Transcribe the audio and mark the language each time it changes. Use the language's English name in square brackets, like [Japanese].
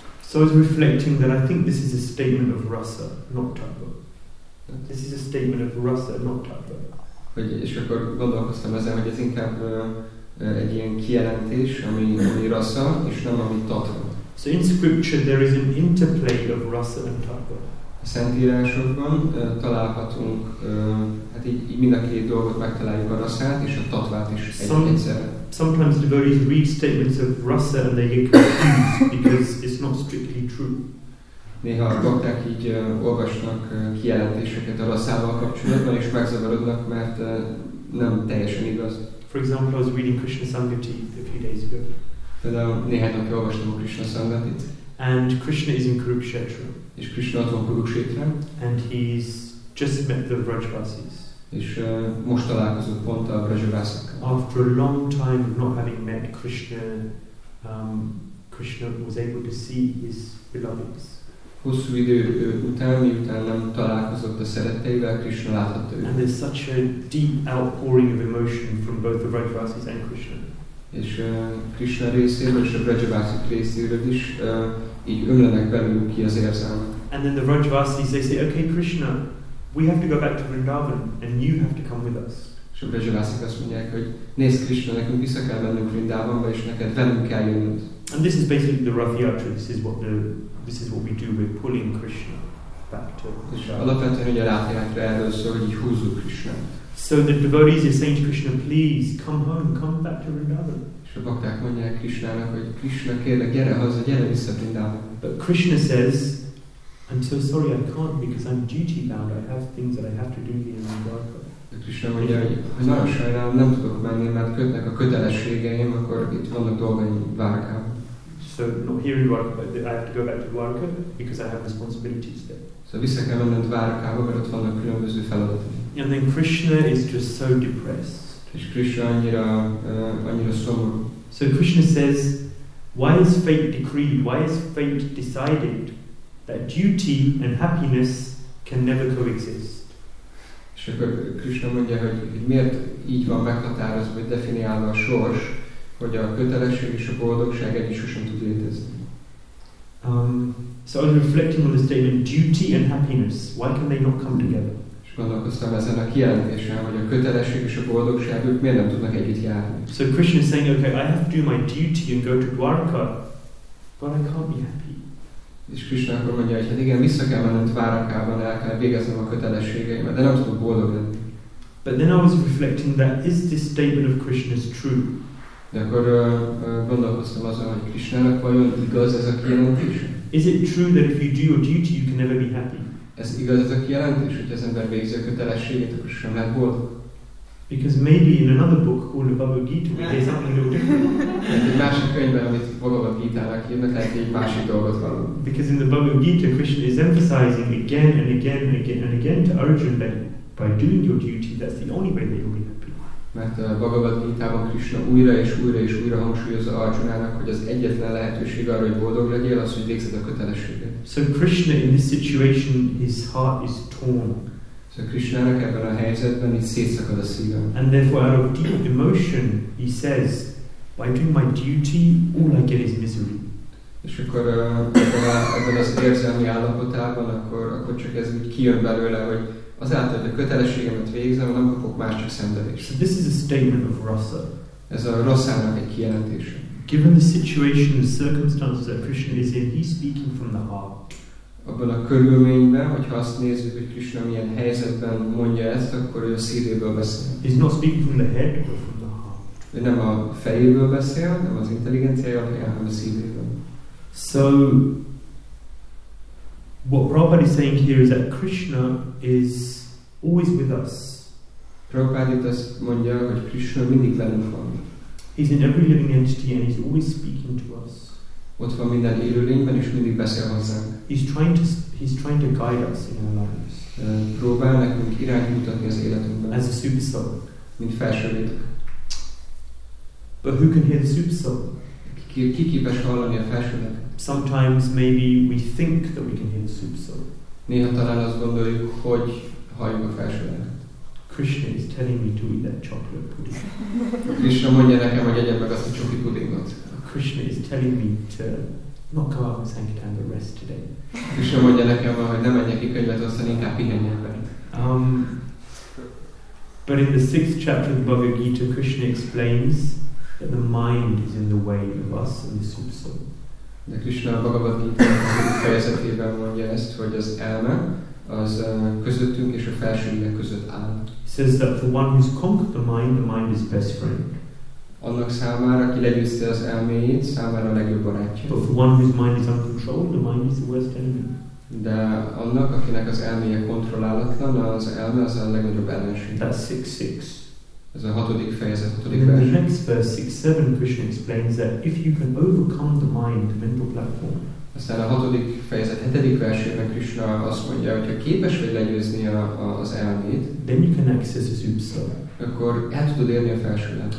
[English] So I was reflecting that I think this is a statement of rasa, not tattva. This is a statement of rasa, not tattva. [Hungarian] Hogy, és akkor gondolkoztam ezen, hogy ez inkább egy ilyen kijelentés, ami rasa, és nem ami tattva. [English] So in scripture there is an interplay of rasa and tattva. [Hungarian] A szentírásokban találhatunk, hát így mind a két dolgot megtaláljuk, a raszát és a tatvát is egyszerre. [English] Sometimes devotees read statements of rasa and they get confused because it's not strictly true. [Hungarian] Néha a bakták így olvasnak kijelentéseket a raszával kapcsolatban és megzavarodnak, mert nem teljesen igaz. [English] For example, I was reading Krishna Sangati a few days ago. [Hungarian] Például néhány napja olvastam a Krishna Sangatit. [English] And Krishna is in Kurukshetra. [Hungarian] És Krishna ott van Kurukshetra. [English] And he's just met the Vrajavasis. [Hungarian] És most találkozott pont a Vrajavasakkal. [English] After a long time of not having met Krishna, Krishna was able to see his beloveds. [Hungarian] Hosszú idő után, miután nem találkozott a szeretteivel, Krishna láthatta őt. [English] And there's such a deep outpouring of emotion from both the Vrajavasis and Krishna. [Hungarian] És Krishna részéről és a Vrajavasik részéről is így ömlenek belőlük ki az érzelmek. [English] And then the Vrajavasis, they say, okay Krishna, we have to go back to Vrindavan and you have to come with us. [Hungarian] És a Vrajavasik azt mondják, hogy nézd Krishna, nekünk vissza kell mennünk Vrindavanba, és neked velünk kell jönnünk. [English] And this is basically the Rath Yatra. This is what we do, we're pulling Krishna back to Vrindavan. [Hungarian] Alapvetően, hogy a Rath Yatra erről szól, hogy így húzzuk Krishna. [English] So the devotees are saying to Krishna, please come home, come back to Vrindavan. [Hungarian] És a bakták mondják Krishnának, hogy Krishna, kérlek, gyere haza, gyere vissza Vrindavan. [English] But Krishna says, I'm so sorry, I can't because I'm duty bound. I have things that I have to do here in Vrindavan. [Hungarian] De Krishna mondja, hogy nagyon sajnálom, nem tudok menni, mert kötnek a kötelességeim, akkor itt vannak dolgai Vrindavan. [English] So not here in Vrindavan, but I have to go back to Vrindavan because I have responsibilities there. [Hungarian] So vissza kell mennem Vrindavanba, mert ott vannak különböző feladatok. [English] And then Krishna is just so depressed. [Hungarian] És Krishna annyira szomorú. [English] So Krishna says, why is fate decreed? Why is fate decided that duty and happiness can never coexist? [Hungarian] És akkor Krishna mondja, hogy miért így van meghatározva, vagy definiálva a sors, hogy a kötelesség és a boldogság egy is sosem tud létezni. [English] So I was reflecting on the statement, duty and happiness, why can they not come together? [Hungarian] Gondolkoztam ezen a kijelentésen, hogy a kötelesség és a boldogság, ők miért nem tudnak együtt járni. [English] So Krishna is saying, okay, I have to do my duty and go to Dwarka, but I can't be happy. [Hungarian] És Krishna akkor mondja, hogy hát igen, vissza kell mennem Dwarkában, el kell végeznem a kötelességeimet, de nem tudok boldog lenni. [English] But then I was reflecting that, is this statement of Krishna is true? [Hungarian] De akkor gondolkoztam azon, hogy Krishnának vajon igaz ez a kijelentés? [English] Is it true that if you do your duty, you can never be happy? [Hungarian] Ez igaz ez a kijelentés, hogy az ember végzi a kötelességét, akkor sem lehet boldog. [English] Because maybe in another book called the Bhagavad Gita, we hear something a little different. [Hungarian] Egy másik könyvben, amit Bhagavad Gita-nak hívnak, lehet, hogy egy másik dolgot van. [English] Because in the Bhagavad Gita, Krishna is emphasizing again and again and again and again to Arjuna that by doing your duty, that's the only way they will be happy. [Hungarian] Mert a Bhagavad Gita-ban Krishna újra és újra és újra hangsúlyozza Arjuna-nak, hogy az egyetlen lehetőség arra, hogy boldog legyél, az, hogy végzed a kötelességet. [English] So Krishna in this situation his heart is torn. [Hungarian] So Krishna-nak ebben a helyzetben így szétszakad a szíve. [English] And therefore out of deep emotion he says, by doing my duty all I get is misery. [Hungarian] És akkor ebben az érzelmi állapotában akkor csak ez úgy kijön belőle, hogy azáltal, hogy a kötelességemet végzem, nem kapok más csak szenvedést. [English] So this is a statement of rasa. [Hungarian] Ez a rasának egy kijelentése. [English] Given the situation and circumstances that Krishna is in, he's speaking from the heart. [Hungarian] Abban a körülményben, hogyha azt nézzük, hogy Krishna milyen helyzetben mondja ezt, akkor ő a szívéből beszél. [English] He's not speaking from the head, but from the heart. [Hungarian] Ő nem a fejéből beszél, nem az intelligenciájáról, hanem a szívéből. [English] So, what Prabhupada is saying here is that Krishna is always with us. [Hungarian] Prabhupada azt mondja, hogy Krishna mindig velünk van. [English] He's in every living entity and he's always speaking to us. [Hungarian] Ott van minden élőlényben és mindig beszél hozzánk. [English] He's trying to guide us in our lives. [Hungarian] Próbál nekünk irányt mutatni az életünkben. [English] As a supersoul. [Hungarian] Mint felső létek. [English] But who can hear the supersoul? [Hungarian] Ki képes hallani a felső létek? [English] Sometimes maybe we think that we can hear the supersoul. [Hungarian] Néha talán azt gondoljuk, hogy halljuk a felső létek. [English] Krishna is telling me to eat that chocolate pudding. [Hungarian] Krishna mondja nekem, hogy egyed meg azt a csoki pudingot. [English] Krishna is telling me to not come out and sankirtan but rest today. [Hungarian] Krishna mondja nekem, hogy ne menjek ki könyvet osztani, inkább pihenjen meg. [English] But in the 6th chapter of the Bhagavad Gita, Krishna explains that the mind is in the way of us and the supersoul. [Hungarian] De Krisna a Bhagavad Gita fejezetében mondja ezt, hogy az elme az közöttünk és a felső lélek között áll. [English] Says that for one who's conquered the mind is best friend. [Hungarian] Annak számára, aki legyőzte az elméjét, számára a legjobb barátja. [English] But for one whose mind is uncontrolled, the mind is the worst enemy. [Hungarian] De annak, akinek az elméje kontrollálatlan, az elme az a legnagyobb ellenség. [English] That's 6.6. [Hungarian] Ez a hatodik fejezet, hatodik vers. [English] The next verse 6.7 Krishna explains that if you can overcome the mind, the mental platform. [Hungarian] Aztán a hatodik fejezet, hetedik versében Krishna azt mondja, hogy ha képes vagy legyőzni az elmét, [English] then you can access the Supersoul. [Hungarian] Akkor el tudod élni a felső lélek.